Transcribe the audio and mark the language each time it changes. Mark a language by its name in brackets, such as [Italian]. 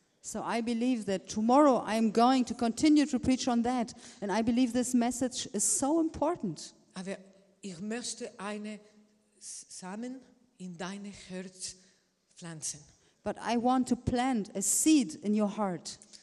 [English] So I believe that tomorrow I am going to continue to preach on that. And I believe this message is so important. [German] Aber ich möchte eine Samen in deine Herz pflanzen. [English] But I want to plant a seed in your heart.